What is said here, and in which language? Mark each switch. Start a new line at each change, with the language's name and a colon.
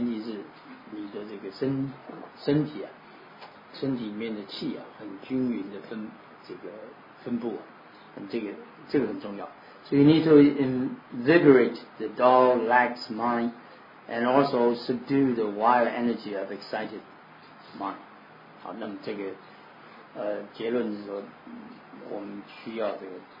Chinese: 前提是你的这个身体啊，身体里面的气啊，很均匀的分布啊，这个很重要。
English: So you need to invigorate the dull, lax mind, and also subdue the wild energy of excited mind.
Chinese: 好，那么这个结论是说，我们需要这个。